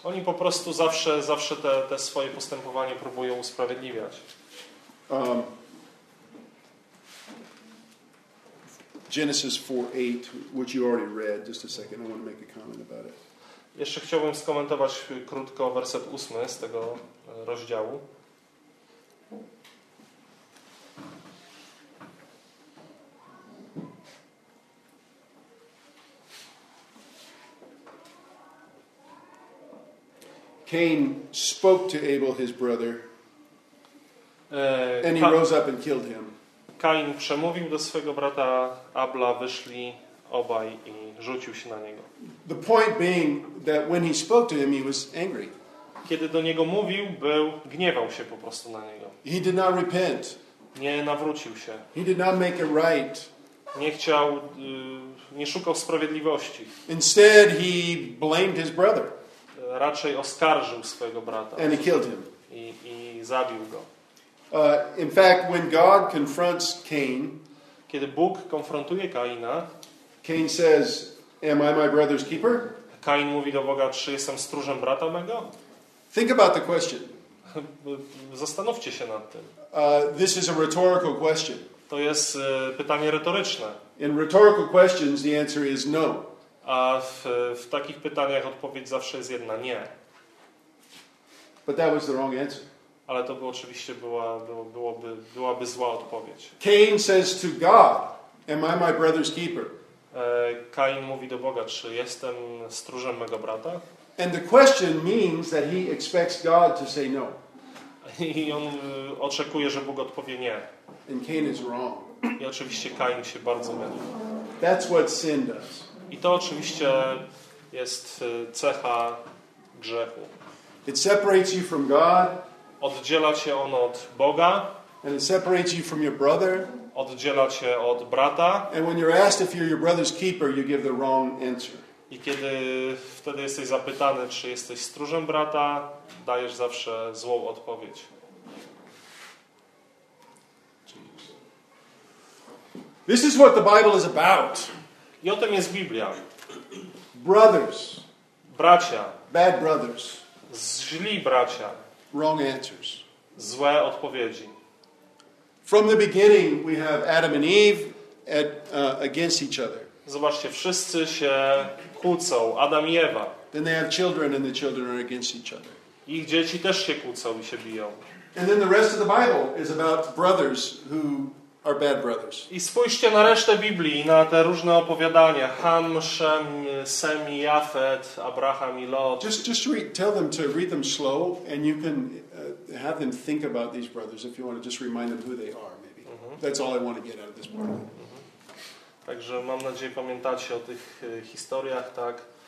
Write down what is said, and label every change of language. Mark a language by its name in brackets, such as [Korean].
[Polish] Oni po prostu zawsze te swoje postępowanie próbują usprawiedliwiać. [English] Genesis 4:8, which you already read, just a second, I want to make a comment about it. [Polish] Jeszcze chciałbym skomentować krótko werset 8 z tego rozdziału. [English] Cain spoke to Abel his brother. And he rose up and killed him. [Polish] Kain przemówił do swego brata Abla, wyszli obaj i rzucił się na niego. [English] The point being that when he spoke to him, he was angry. [Polish] Kiedy do niego mówił, gniewał się po prostu na niego. [English] He did not repent. [Polish] Nie nawrócił się. [English] He did not make it right. [Polish] Nie chciał, nie szukał sprawiedliwości. [English] Instead, he blamed his brother. [Polish] Raczej oskarżył swojego brata. [English] And he killed him. [Polish] I zabił go. [English] In fact, when God confronts Cain, [Polish] kiedy Bóg konfrontuje Kaina, [English] Cain says, "Am I my brother's keeper?" [Polish] Kain mówi do Boga, czy jestem stróżem brata mego? [English] Think about the question. [Polish] Zastanówcie się nad tym. [English] This is a rhetorical question. [Polish] To jest pytanie retoryczne. [English] In rhetorical questions, the answer is no. [Polish] A w takich pytaniach odpowiedź zawsze jest jedna, nie. [English] But that was the wrong answer. [Polish] Ale to by oczywiście byłaby zła odpowiedź. [English] Cain says to God, "Am I my brother's keeper?" [Polish] Kain mówi do Boga, czy jestem stróżem mego brata? [English] And the question means that he expects God to say no. [Polish] I on oczekuje, że Bóg odpowie nie. [English] And Cain is wrong. [Polish] I oczywiście Kain się bardzo mylił. [English] That's what sin does. [Polish] I to oczywiście jest cecha grzechu. [English] It separates you from God. [Polish] Oddziela cię on od Boga. [English] And it separates you from your brother. [Polish] Oddziela cię od brata. [English] And when you're asked if you're your brother's keeper, you give the wrong answer. [Polish] I kiedy wtedy jesteś zapytany, czy jesteś stróżem brata, dajesz zawsze złą odpowiedź. [English] This is what the Bible is about. [Polish] I o tym jest Biblia. [English] Brothers. [Polish] Bracia. [English] Bad brothers. [Polish] Źli bracia. [English] Wrong answers. [Polish] Złe odpowiedzi. [English] From the beginning we have Adam and Eve against each other. [Polish] Zobaczcie, wszyscy się kłócą, Adam i Ewa. [English] Then they have children and the children are against each other. [Polish] Ich dzieci też się kłócą i się biją. [English] And then the rest of the Bible is about brothers who are bad brothers. [Polish] I spójrzcie na resztę Biblii, na te różne opowiadania: Ham, Szem, Sem i Jafet, Abraham i Lot. [English] Just read, tell them to read them slow, and you can have them think about these brothers if you want to just remind them who they are. Maybe that's all I want to get out of this part. [Polish] Także mam nadzieję, pamiętacie o tych historiach, tak?